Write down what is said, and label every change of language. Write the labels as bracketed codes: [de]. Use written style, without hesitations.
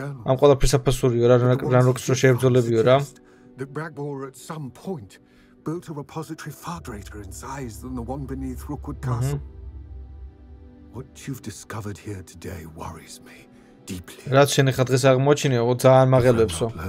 [ka] ამ ყველაფერს აფასურიო რა, Ranrockს რო შეებრძოლებიო რა. [en] The Bragbor at some point built a repository far greater in size than the one beneath Rookwood Castle. What you've discovered here today worries me deeply. [ka] რაც შენ ხა დღეს აღმოჩინეო, ძალიან მაღელებსო.